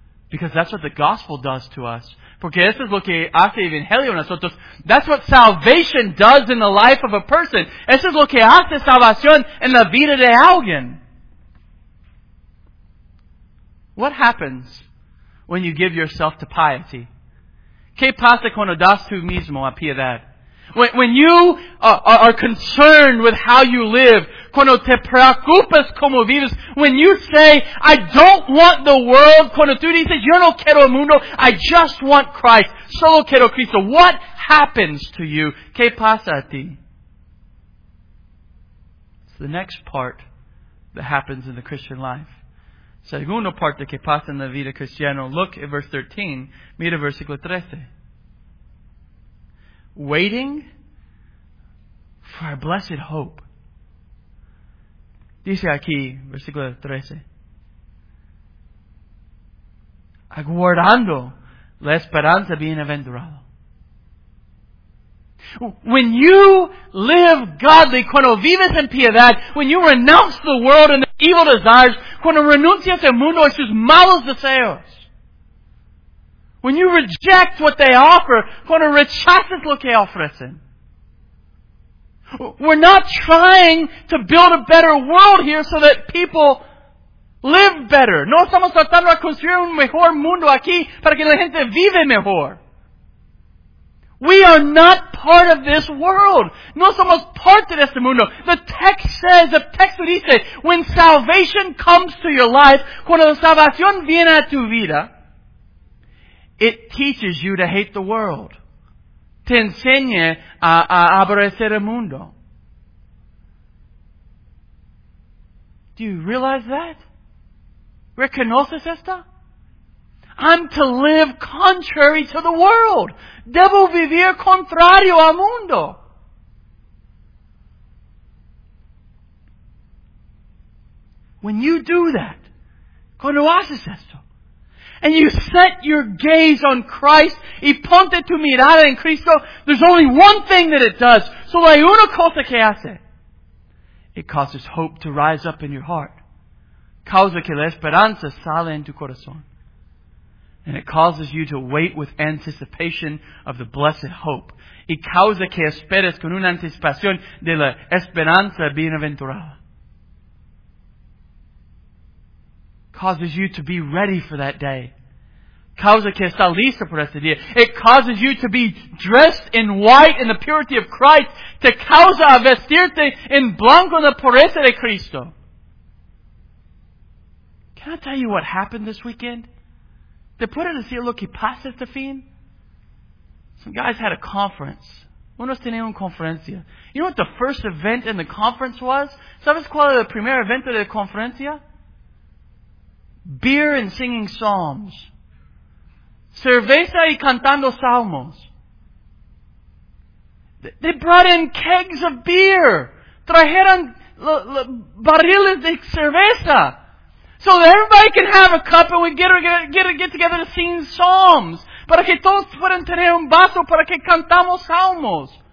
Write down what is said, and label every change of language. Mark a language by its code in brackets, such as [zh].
[en] Because that's what the gospel does to us. [es] Porque eso es lo que hace el Evangelio en nosotros. [en] That's what salvation does in the life of a person. [es] Eso es lo que hace salvación en la vida de alguien. [en] What happens when you give yourself to piety? [es] ¿Qué pasa cuando das tú mismo a piedad? [en] When you are concerned with how you live, [es] cuando te preocupas como vives, [en] when you say, I don't want the world, [es] cuando tú dices, yo no quiero el mundo, [en] I just want Christ, [es] solo quiero Cristo, [en] what happens to you? [es] ¿Qué pasa a ti? [en] It's the next part that happens in the Christian life. [es] Segunda parte que pasa en la vida cristiana. [en] Look at verse 13, [es] mira versículo 13. [en] Waiting for our blessed hope. [es] Dice aquí, versículo 13. Aguardando la esperanza bienaventurada. [en] When you live godly, [es] cuando vives en piedad, [en] when you renounce the world and the evil desires, [es] cuando renuncias al mundo y sus malos deseos, [en] when you reject what they offer, [es] cuando rechazas lo que ofrecen. [en] We're not trying to build a better world here so that people live better. [es] No estamos tratando de construir un mejor mundo aquí para que la gente vive mejor. [en] We are not part of this world. [es] No somos parte de este mundo. [en] The text [es] dice, [en] when salvation comes to your life, [es] cuando la salvación viene a tu vida, [en] it teaches you to hate the world. [es] Te enseña a aborrecer el mundo. [en] Do you realize that? [es] ¿Reconoces esto? [en] I'm to live contrary to the world. [es] Debo vivir contrario al mundo. [en] When you do that, [es] cuando haces esto, [en] and you set your gaze on Christ, [es] y ponte tu mirada en Cristo, [en] there's only one thing that it does. [es] Solo hay una cosa que hace. [en] It causes hope to rise up in your heart. [es] Causa que la esperanza sale en tu corazón. [en] And it causes you to wait with anticipation of the blessed hope. [es] Y causa que esperes con una anticipación de la esperanza bienaventurada. [en] Causes you to be ready for that day. [es] Causa que estás listo por ese día. [en] It causes you to be dressed in white in the purity of Christ. [es] Te causa a vestirte en blanco en la pureza de Cristo. [en] Can I tell you what happened this weekend? [es] ¿Te puedes decir lo que pasa este fin? [en] Some guys had a conference. [es] Unos tenían una conferencia. [en] You know what the first event in the conference was? [es] ¿Sabes cuál era el primer evento de la conferencia? [en] Beer and singing psalms. [es] Cerveza y cantando salmos. [en] They brought in kegs of beer. [es] Trajeron barriles de cerveza. [en] So that everybody can have a cup and we get together to sing psalms. [es] Para que todos puedan tener un vaso para que cantamos salmos.